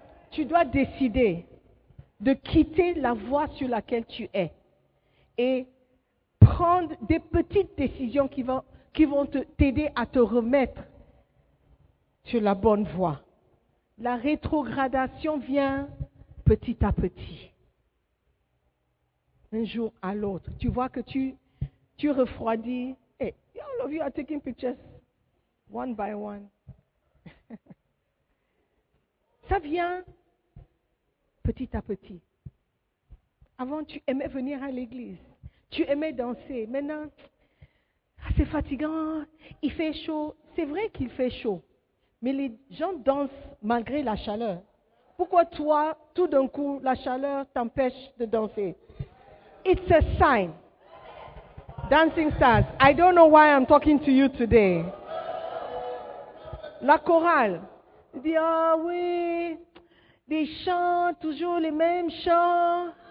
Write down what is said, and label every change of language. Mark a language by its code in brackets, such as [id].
[fr] Tu dois décider de quitter la voie sur laquelle tu es et prendre des petites décisions qui vont t'aider à te remettre sur la bonne voie. La rétrogradation vient petit à petit. Un jour à l'autre. Tu vois que tu refroidis. [en] Hey, all of you are taking pictures one by one. [fr] Ça vient petit à petit. Avant, tu aimais venir à l'église. Tu aimais danser. Maintenant, c'est fatigant. Il fait chaud. C'est vrai qu'il fait chaud. Mais les gens dansent malgré la chaleur. Pourquoi toi, tout d'un coup, la chaleur t'empêche de danser? [en] It's a sign. Dancing stars. I don't know why I'm talking to you today. [fr] La chorale. Il dit, ah oui, des chants, toujours les mêmes chants.